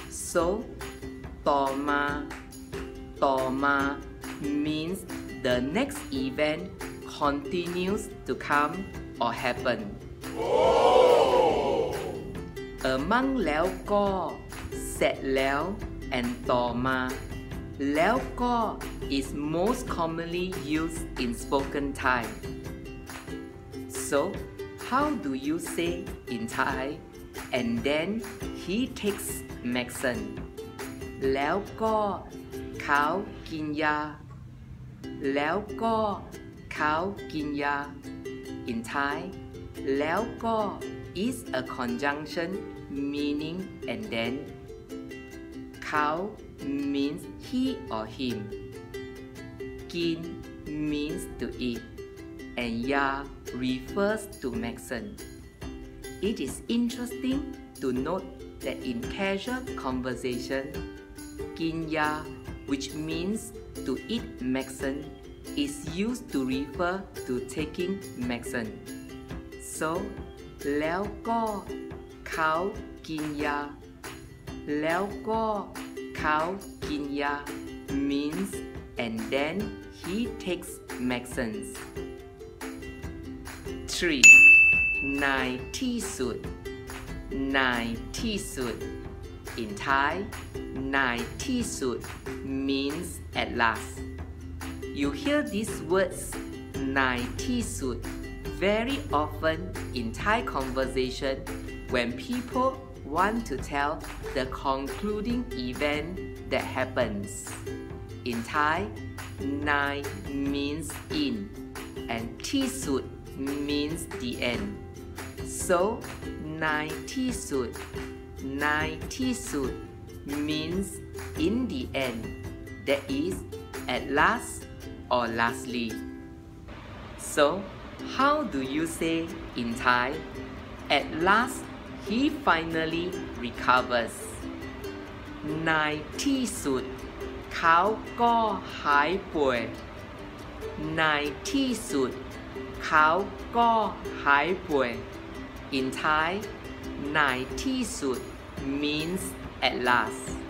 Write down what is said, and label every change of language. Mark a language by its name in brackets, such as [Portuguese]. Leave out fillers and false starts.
[English] So, ต่อมา ต่อมา means the next event continues to come or happen. Among แล้วก็ เสร็จแล้ว and ต่อมาแล้วก็ is most commonly used in spoken Thai. So, how do you say in Thai, and then he takes medicine? [Thai] แล้วก็เขากินยา แล้วก็เขากินยา [English] In Thai, แล้วก็ is a conjunction meaning and then. เขาmeans he or him. Gin means to eat, and ya refers to medicine. It is interesting to note that in casual conversation, gin ya, which means to eat medicine, is used to refer to taking medicine. So, [Thai] แล้วก็เขากินยา แล้วก็เขากินยา [English] means and then he takes medicines. 3. ในที่สุดในที่สุด In Thai, ในที่สุด means at last. You hear these words ในที่สุด very often in Thai conversation when people want to tell the concluding eventThat happens. In Thai, nai means in, and ti sut means the end. So, nai ti sut, nai ti sut means in the end, that is, at last or lastly. So, how do you say in Thai, at last he finally recovers? [Thai] ในที่สุดเขาก็หายป่วยในที่สุดเขาก็หายป่วย [English] In Thai, ในที่สุด means at last.